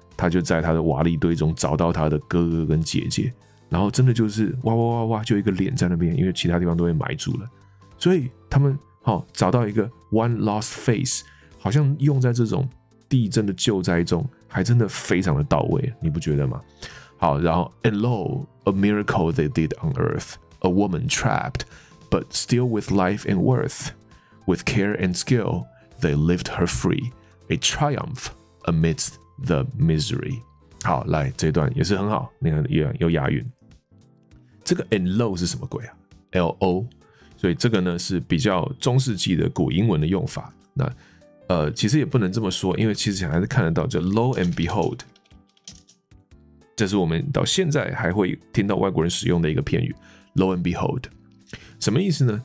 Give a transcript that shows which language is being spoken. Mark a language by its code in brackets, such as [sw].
[zh] 他就在他的瓦砾堆中找到他的哥哥跟姐姐，然后真的就是哇哇哇哇，就一个脸在那边，因为其他地方都被埋住了，所以他们好、哦、找到一个 [en] one lost face， [zh] 好像用在这种地震的救灾中，还真的非常的到位，你不觉得吗？好，然后 [en] and lo, a miracle they did on earth, a woman trapped, but still with life and worth, with care and skill, they lived her free, a triumph amidst the misery。 [zh] 好，来这段也是很好，你看也有押韵。这个 [en] and lo [zh] 是什么鬼啊？ lo， 所以这个呢是比较中世纪的古英文的用法。那其实也不能这么说，因为其实还是看得到，就 [en] lo and behold， [zh] 这是我们到现在还会听到外国人使用的一个片语 ，lo and behold， 什么意思呢？